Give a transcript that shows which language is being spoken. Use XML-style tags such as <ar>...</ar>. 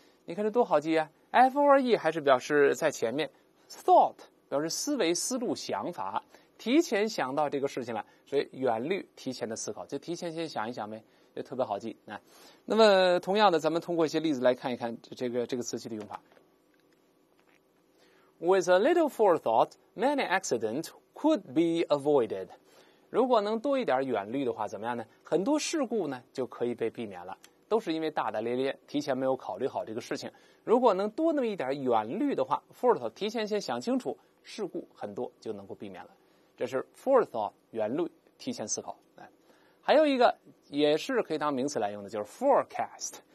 <zh>你看这多好记啊 ！fore 还是表示在前面。 Thought 表示思维、思路、想法，提前想到这个事情了，所以远虑、提前的思考，就提前先想一想呗，就特别好记。那么同样的，咱们通过一些例子来看一看这个词句的用法。</zh> <en>With a little forethought, many accidents could be avoided.</en> <zh>如果能多一点远虑的话，怎么样呢？很多事故呢就可以被避免了。都是因为大大咧咧，提前没有考虑好这个事情。如果能多那么一点远虑的话 ，forethought 提前先想清楚，事故很多就能够避免了。这是 forethought 远虑，提前思考。还有一个也是可以当名词来用的，就是 forecast。</zh>